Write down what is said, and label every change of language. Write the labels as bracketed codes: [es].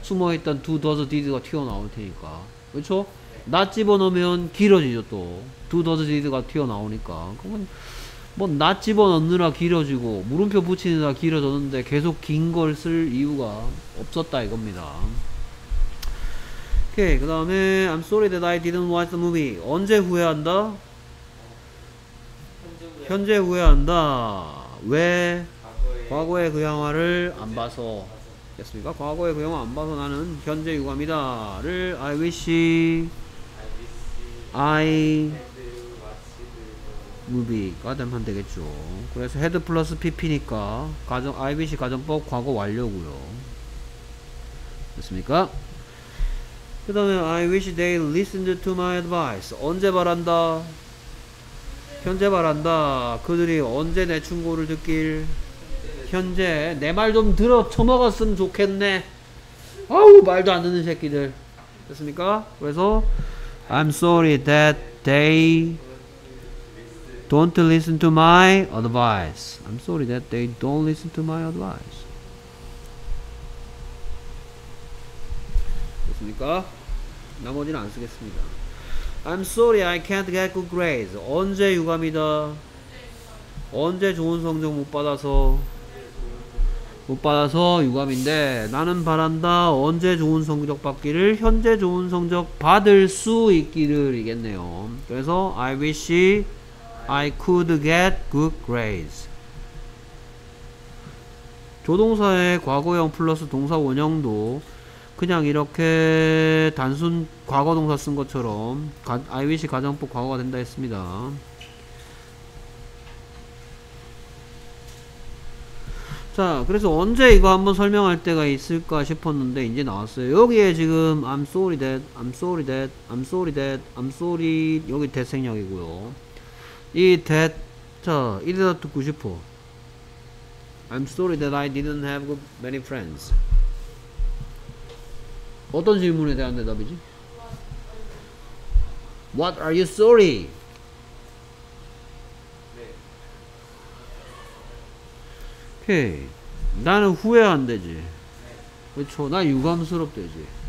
[ko] 숨어있던 do, does, did가 튀어나올 테니까. 그렇죠? 나 집어넣으면 길어지죠. 또 두 더즈 디드가 튀어나오니까. 그러면 뭐 나 집어넣느라 길어지고 물음표 붙이느라 길어졌는데 계속 긴 걸 쓸 이유가 없었다 이겁니다. 오케이. 그 다음에 [en] I'm sorry that I didn't watch the movie. [ko] 언제 후회한다? 현재 후회한다. 왜? 과거에 그 영화를 안 봐서. 됐습니까? 과거에 그 영화 안 봐서 나는 현재 유감이다 를 [en] I wish I movie [ko] 가 되면 되겠죠. 그래서 head 플러스 pp니까 가정 IBC 가정법 과거 완료고요. 됐습니까? 그 다음에 [en] I wish they listened to my advice. [ko] 언제 바란다? 현재 바란다. 그들이 언제 내 충고를 듣길? 현재 내 말 좀 들어 처먹었으면 좋겠네. 아우 말도 안 듣는 새끼들. 됐습니까? 그래서 [en] I'm sorry that they don't listen to my advice. I'm sorry that they don't listen to my advice. [ko] 됐습니까? 나머지는 안 쓰겠습니다. [en] I'm sorry I can't get good grades. [ko] 언제 유감이다? 언제 좋은 성적 못 받아서 유감인데 나는 바란다 언제 좋은 성적 받기를 현재 좋은 성적 받을 수 있기를 이겠네요. 그래서 [en] I wish I could get good grades. [ko] 조동사의 과거형 플러스 동사 원형도 그냥 이렇게 단순 과거 동사 쓴 것처럼 I wish 가정법 과거가 된다 했습니다. 자, 그래서 언제 이거 한번 설명할 때가 있을까 싶었는데 이제 나왔어요. 여기에 지금 [en] I'm sorry that, I'm sorry that, I'm sorry that, I'm sorry [ko] 여기 [en] that [ko] 생략이고요. 이 that, 자, 이래다 듣고 싶어. [en] I'm sorry that I didn't have many friends. [ko] 어떤 질문에 대한 대답이지? [en] What are you sorry? [ko] 나는 후회한대지. 그렇죠. 나 유감스럽대지.